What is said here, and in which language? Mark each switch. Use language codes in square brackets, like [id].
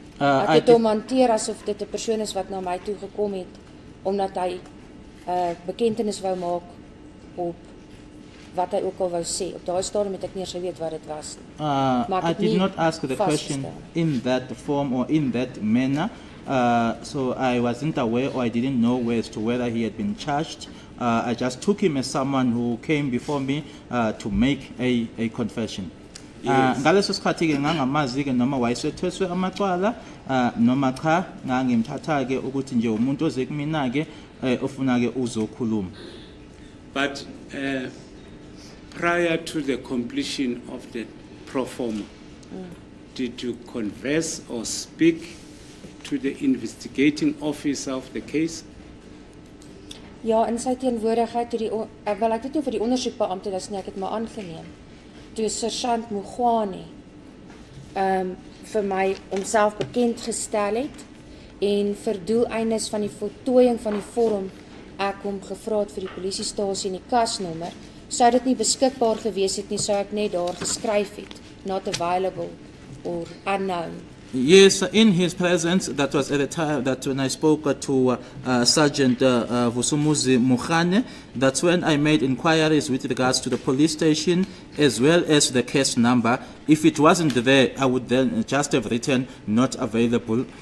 [af] Ek het hom hanteer asof dit 'n persoon is wat na my toe gekom het omdat hy bekentenis wou maak op wat hy ook al wou sê. Op daai stadium het ek nie geweet wat dit was nie. [en] Maar I did not ask the question in that form or in that manner. So I wasn't aware or I didn't know as to whether he had been charged. I just took him as someone who came before me to make a confession. [zu] Ngaleso sikhathi ke ngangamazi ke noma wayesethweswe amacwala noma cha ngangimthatha ke ukuthi nje umuntu oze kumina ke ofuna ke uzokhuluma. [en] But prior to the completion of the pro forma, did you converse or speak to the investigating officer of the case? [af] Ja, in sy teenwoordigheid, ek weet nie vir die ondersoekbeampte is nie, ek het maar aangeneem. Toe Sergeant Mokgoatlheng vir my homself bekend gestel het en vir doeleindes van die voltooiing van die vorm ek hom gevra het vir die polisiestasie en die kasnommer, sou dit nie beskikbaar gewees het nie, sou ek net daar geskryf het, [en] not available or unknown. Yes, in his presence, that was at a time that when I spoke to Sergeant Vusumuzi Mukhane, that's when I made inquiries with regards to the police station as well as the case number. If it wasn't there, I would then just have written not available.